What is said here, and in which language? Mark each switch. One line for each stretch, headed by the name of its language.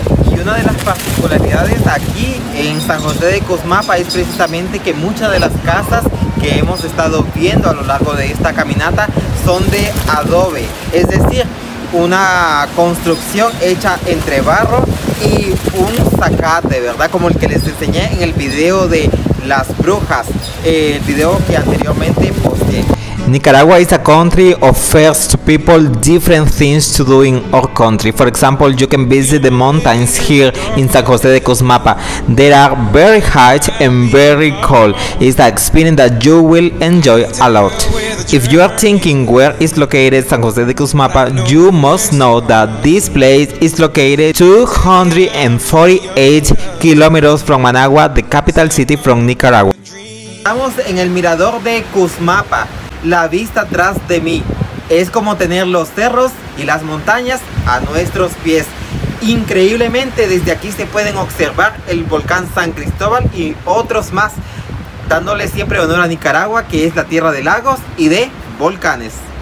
Spanish: Y una de las particularidades aquí en San José de Cuzmapa es precisamente que muchas de las casas que hemos estado viendo a lo largo de esta caminata son de adobe, es decir, una construcción hecha entre barro y un zacate, ¿verdad? Como el que les enseñé en el video de las brujas, el video que anteriormente posteé.
English: Nicaragua is a country offers to people different things to do in our country. For example, you can visit the mountains here in San José de Cuzmapa. They are very high and very cold. It's an experience that you will enjoy a lot. If you are thinking where is located San José de Cuzmapa, you must know that this place is located 248 kilometers from Managua, the capital city from Nicaragua.
Spanish: Estamos en el mirador de Cuzmapa. La vista atrás de mí es como tener los cerros y las montañas a nuestros pies. Increíblemente, desde aquí se pueden observar el volcán San Cristóbal y otros más, dándole siempre honor a Nicaragua, que es la tierra de lagos y de volcanes.